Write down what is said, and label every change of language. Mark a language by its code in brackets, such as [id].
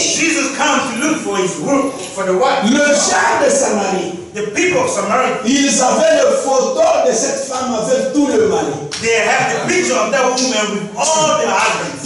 [en] Jesus comes to look for his work, for the wife. [fr] Le chef de Samarie. [en] The people of Samaria. [fr] Ils avaient le photo de cette femme avec tous les maris. [en] They have the picture of that woman with all the husbands.